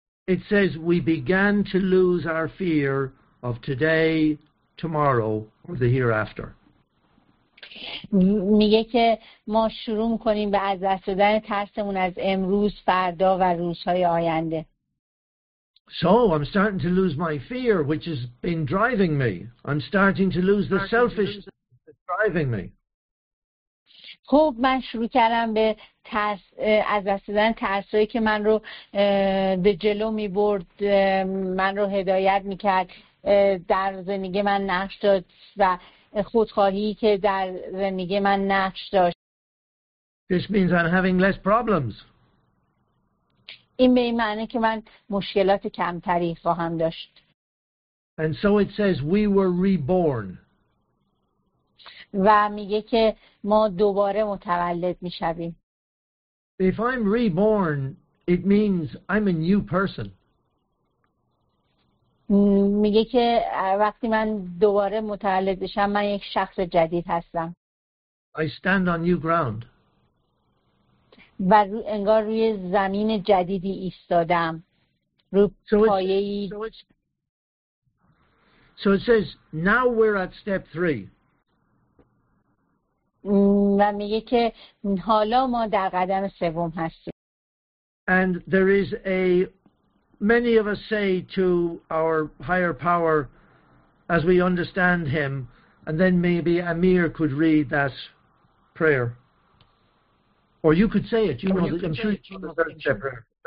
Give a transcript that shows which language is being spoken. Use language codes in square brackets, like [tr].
[en] It says we began to lose our fear of today, tomorrow, or the hereafter. [fa] میگه که ما شروع میکنیم به از دست دادن ترسمون از امروز، فردا و روزهای آینده. [en] So I'm starting to lose my fear, which has been driving me. I'm starting to lose the selfishness that's driving me. [fa] خب من شروع کردم به ترس، از دست دادن ترسایی که من رو به جلو می برد، من رو هدایت می کرد، در زندگی من نقش داشت و خودخواهی که در زندگی من نقش داشت. [en] This means I'm having less problems. [fa] این به این معنی که من مشکلات کمتری خواهم داشت. [en] And so it says we were reborn. [fa] و میگه که ما دوباره متولد میشویم. [en] If I'm reborn, it means I'm a new person. [fa] میگه که وقتی من دوباره متولد بشم من یک شخص جدید هستم. [en] I stand on new ground. [fa] و انگار روی زمین جدیدی ایستادم. روی پایه‌ای. [en] So it says now we're at step 3. [fa] و میگه که حالا ما در قدم سوم هستیم. [en] And there is a many of us say to our higher power as we understand him, and then maybe Amir could read that prayer. Or you could say it. You know, I'm sure you know the third prayer.